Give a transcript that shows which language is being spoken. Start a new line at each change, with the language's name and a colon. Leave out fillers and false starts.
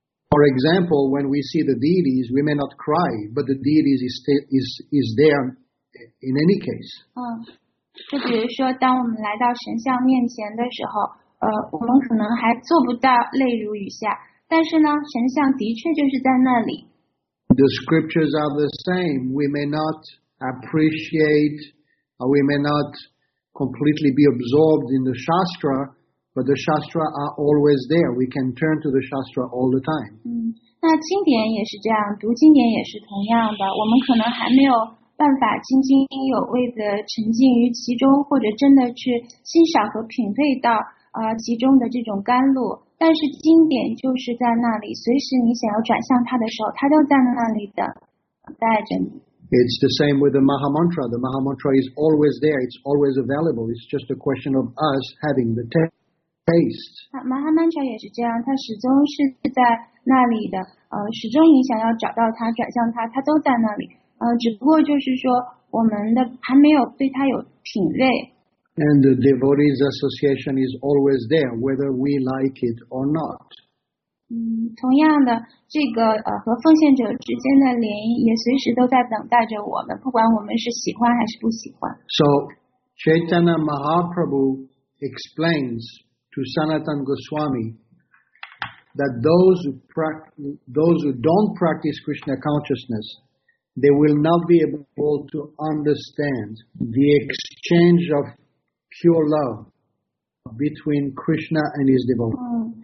English: For example, when we see the deities, we may not cry, but the deities is there in any case.
Chinese: 就比如说，当我们来到神像面前的时候，我们可能还做不到泪如雨下，但是呢，神像的确就是在那里。
English: The scriptures are the same. We may not appreciate, or we may not completely be absorbed in the shastra. But the Shastra are always there. We can turn to the Shastra all the time.
Chinese: 那经典也是这样，读经典也是同样的。我们可能还没有办法津津有味地沉浸于其中，或者真的去欣赏和品味到其中的这种甘露。但是经典就是在那里，随时你想要转向它的时候，它都在那里等待着你。
English: It's the same with the Mahamantra. The Mahamantra is always there. It's always available. It's just a question of us having the text.
Chinese: Mahamantra 也是这样，它始终是在那里的，始终你想要找到它，转向它，它都在那里，只不过就是说我们的还没有对它有品味。
English: And the devotees association is always there, whether we like it or not.
Chinese: 同样的，这个和奉献者之间的联谊也随时都在等待着我们，不管我们是喜欢还是不喜欢。
English: So, Chaitanya Mahaprabhu explains. To Sanatan Goswami, that those who don't practice Krishna consciousness, they will not be able to understand the exchange of pure love between Krishna and his devotees.